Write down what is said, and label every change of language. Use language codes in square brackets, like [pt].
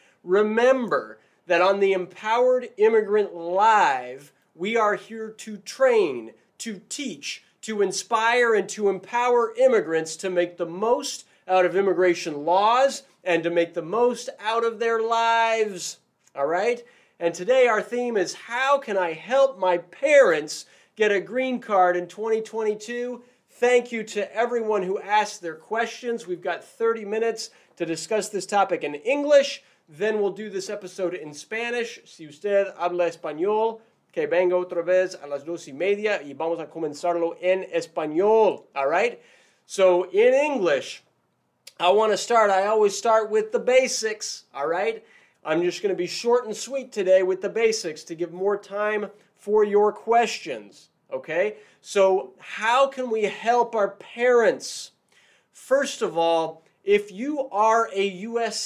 [en] Remember that on the Empowered Immigrant Live, we are here to train, to teach, to inspire, and to empower immigrants to make the most out of immigration laws and to make the most out of their lives, all right? And today our theme is, how can I help my parents get a green card in 2022? Thank you to everyone who asked their questions. We've got 30 minutes to discuss this topic in English. Then we'll do this episode in Spanish. [es] Si usted habla español, que venga otra vez a las 2:30 y vamos a comenzarlo en español, [en] all right? So in English, I want to start. I always start with the basics, all right? I'm just going to be short and sweet today with the basics to give more time for your questions, okay? So how can we help our parents? First of all, if you are a U.S.